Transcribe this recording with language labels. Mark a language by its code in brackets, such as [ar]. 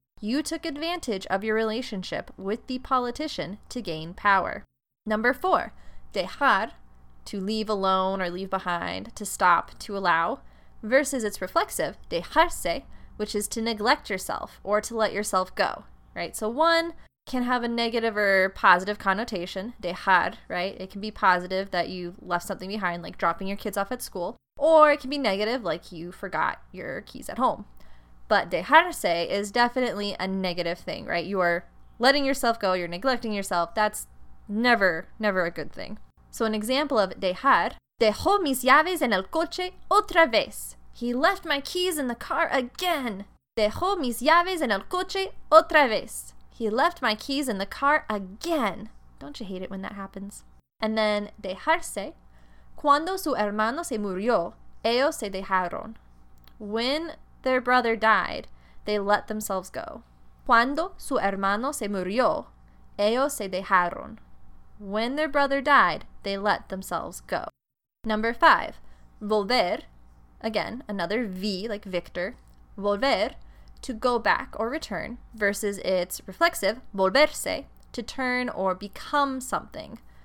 [en] You took advantage of your relationship with the politician to gain power. Number four, dejar, to leave alone or leave behind, to stop, to allow, versus its reflexive, dejarse, which is to neglect yourself or to let yourself go, right? So one can have a negative or positive connotation, dejar, right? It can be positive, that you left something behind, like dropping your kids off at school. Or it can be negative, like you forgot your keys at home. But dejarse is definitely a negative thing, right? You are letting yourself go, you're neglecting yourself. That's never, never a good thing. So an example of dejar: [es] dejó mis llaves en el coche otra vez. [en] He left my keys in the car again. [es] Dejó mis llaves en el coche otra vez. [en] He left my keys in the car again. Don't you hate it when that happens? And then [es] dejarse: cuando su hermano se murió, ellos se dejaron. [en] When their brother died, they let themselves go. [es] Cuando su hermano se murió, ellos se dejaron. [en] When their brother died, they let themselves go. Number five, volver. Again, another V, like Victor. Volver, to go back or return, versus its reflexive, volverse, to turn or become something.